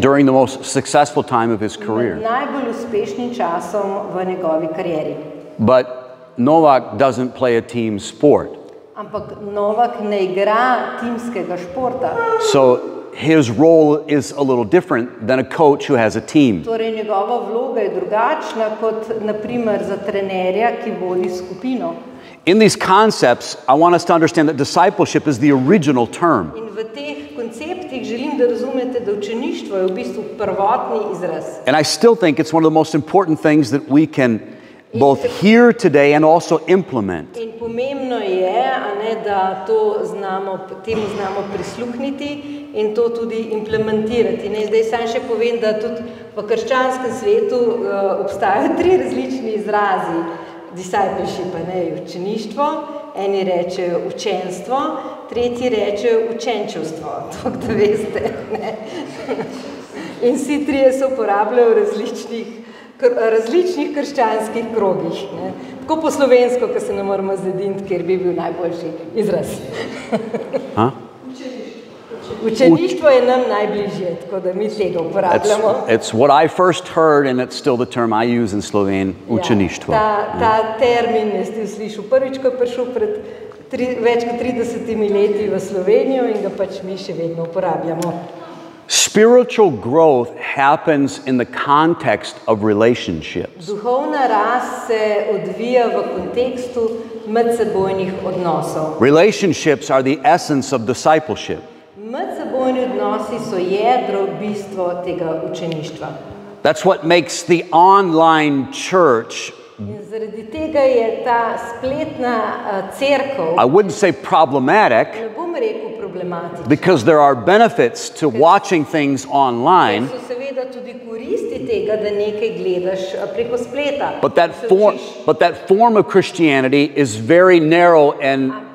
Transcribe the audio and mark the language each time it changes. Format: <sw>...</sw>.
<en>During the most successful time of his career.</en> <sl>Najbolj uspešnim časom v njegovi karieri.</sl> <en>But Novak doesn't play a team sport.</en> <sl>Ampak Novak ne igra timskega športa.</sl> <en>So his role is a little different than a coach who has a team.</en> <sl>Torej njegova vloga je drugačna kot na primer za trenerja, ki vodi skupino.</sl> <en>In these concepts, I want us to understand that discipleship is the original term.</en> <sl>In v teh konceptih želim, da razumete, da učeništvo je v bistvu prvotni izraz.</sl> <en>And I still think it's one of the most important things that we can both here today and also implement.</en> <sl>In pomembno je, a ne, da to znamo, temu znamo prisluhniti in to tudi implementirati. Ne, zdaj sam še povem, da tudi v krščanskem svetu obstajajo tri različni izrazi discipleship, a ne, učeništvo, eni rečejo učenstvo, tretji rečejo učenčevstvo, tako da veste. Ne? In vsi trije se uporabljajo v različnih krščanskih krogih. Ne? Tako po slovensko, ko se ne moramo zediniti, ker bi bil najboljši izraz. Učeništvo. Učeništvo je nam najbližje, tako da mi tega uporabljamo.</sl> <en>It's what I first heard and it's still the term I use in Slovene, učeništvo.</en> <sl>Ja, ta termin je stil slišal prvič, ko je prišel pred več kot 30 leti v Slovenijo in ga pač mi še vedno uporabljamo.</sl> <en>Spiritual growth happens in the context of relationships.</en> <sl>Duhovna rast se odvija v kontekstu medsebojnih odnosov.</sl> <en>Relationships are the essence of discipleship.</en> <sl>Medsebojni odnosi so jedro bistvo tega učeništva.</sl> <en>That's what makes the online church.</en> <sl>Zaradi tega je ta spletna cerkev.</sl> <en>I wouldn't say problematic.</en> <sl>Ne bom rekel problematično.</sl> <en>Because there are benefits to watching things online.</en> <sl>So seveda tudi koristi tega, da nekaj gledaš preko spleta.</sl> <en>But that form of Christianity is very narrow and</en>